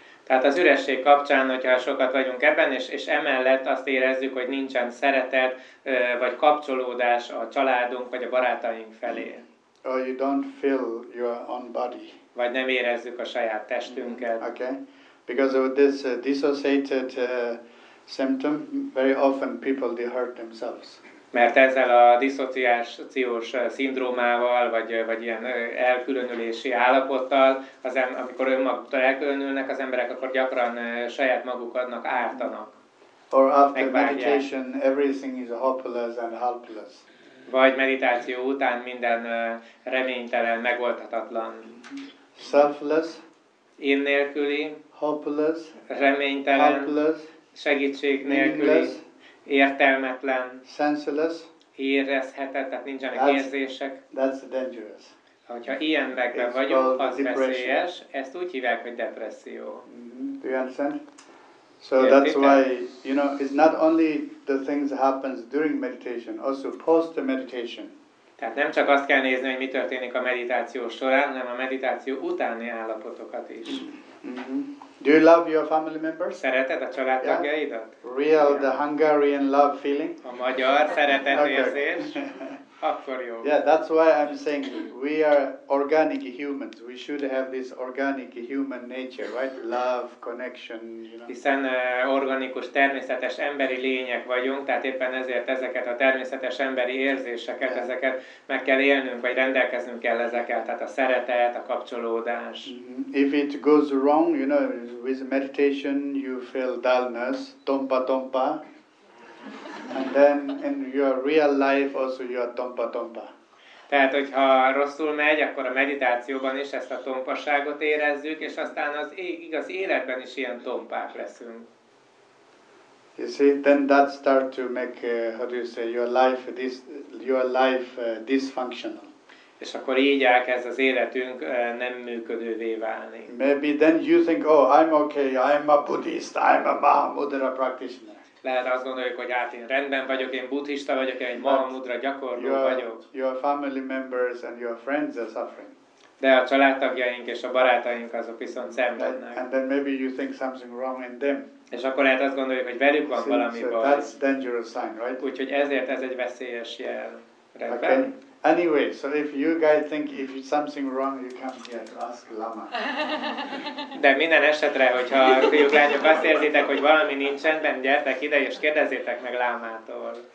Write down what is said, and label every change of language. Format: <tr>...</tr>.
<hu>Tehát az üresség kapcsán, hogyha sokat vagyunk ebben, és emellett azt érezzük, hogy nincsen szeretet, vagy kapcsolódás a családunk, vagy a barátaink felé.</hu> <en>Or you don't feel your own body.</en> <hu>Vagy nem érezzük a saját testünket.</hu> <en>Mm-hmm. Okay. Because of this dissociated symptom, very often people, they hurt themselves.</en> <hu>Mert ezzel a diszociációs szindrómával, vagy ilyen elkülönülési állapottal, amikor önmaguktól elkülönülnek az emberek, akkor gyakran saját maguknak ártanak.</hu> <en>Or after meditation, everything is hopeless and helpless.</en> <hu>Vagy meditáció után minden reménytelen, megoldhatatlan.</hu> <en>Selfless.</en> <hu>Én nélküli.</hu> <en>Hopeless.</en> <hu>Reménytelen.</hu> <en>Helpless.</en> <hu>Segítség nélküli. Értelmetlen.</hu> <en>Senseless.</en> <hu>Érezhetetlen, tehát nincsenek érzések.</hu> <en>That's dangerous.</en> <hu>Hogyha ilyen megben vagyunk, az veszélyes. Ezt úgy hívják, hogy depresszió.</hu> <en>Do you understand? So yeah, that's why, you know, it's not only the things that happens during meditation, also post meditation.</en> <hu>Tehát nem csak azt kell nézni, hogy mi történik a meditáció során, hanem a meditáció utáni állapotokat is.</hu> <en>Mm-hmm. Do you love your family members?</en> <hu>Szereted a családtagjaidat?</hu> <en>Yeah. Real, yeah. The Hungarian love feeling.</en> <hu>A magyar szeretet érzés. Akkor jó.</hu> <en>Yeah, that's why I'm saying we are organic humans. We should have this organic human nature, right? Love, connection, you know.</en> <hu>Hiszen organikus, természetes emberi lények vagyunk, tehát éppen ezért ezeket a természetes emberi érzéseket, yeah. Ezeket meg kell élnünk, vagy rendelkeznünk kell ezekkel, tehát a szeretet, a kapcsolódás.</hu> <en>Mm-hmm. If it goes wrong, you know, with meditation you feel dullness,</en> <hu>tompa-tompa.</hu> <en>And then in your real life also you are</en> <hu>tompa-tompa. Tehát, hogyha rosszul megy, akkor a meditációban is ezt a tompaságot érezzük, és aztán az igaz életben is ilyen tompák leszünk.</hu> <en>You see, then that start to make, how do you say, your life dysfunctional.</en> <hu>És akkor így elkezd az életünk nem működővé válni.</hu> <en>Maybe then you think, oh, I'm okay, I'm a Buddhist, I'm a Mahamudra practitioner.</en> <hu>Lehet azt gondoljuk, hogy hát én rendben vagyok, én buddhista vagyok, én egy mahamudra gyakorló vagyok.</hu> <en>Your family members and your friends are suffering.</en> <hu>De a családtagjaink és a barátaink azok viszont szenvednek.</hu> <en>And then maybe you think something wrong in them.</en> <hu>És akkor lehet azt gondoljuk, hogy velük van valami</hu> <en>so</en> <hu>baj.</hu> <en>That's dangerous sign, right?</en> <hu>Úgyhogy ezért ez egy veszélyes jel. Rendben? Okay.</hu> <en>Anyway, so if you guys think if something wrong, you come here to ask Lama.</en> <hu>De minden esetre, hogyha fiúk, lányok azt érzitek, hogy valami nincsen, nem gyertek ide, és kérdezzétek meg Lámától.</hu>